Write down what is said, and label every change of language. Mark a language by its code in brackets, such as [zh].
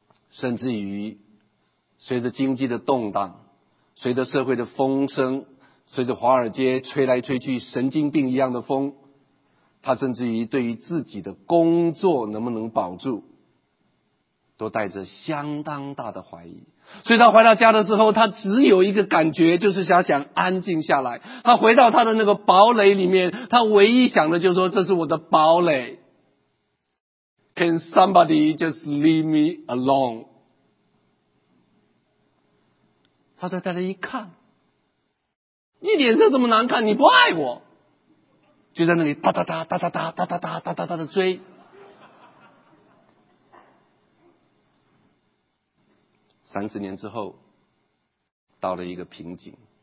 [zh] 甚至于随着经济的动荡，随着社会的风声，随着华尔街吹来吹去神经病一样的风，他甚至于对于自己的工作能不能保住都带着相当大的怀疑，所以他回到家的时候，他只有一个感觉，就是想安静下来。他回到他的那个堡垒里面，他唯一想的就是说，这是我的堡垒。 [en] Can somebody just leave me alone? [zh] 他在那里一看，你脸色这么难看，你不爱我，就在那里哒哒哒哒哒哒哒哒哒哒哒哒的追。 30年之后，到了一个瓶颈。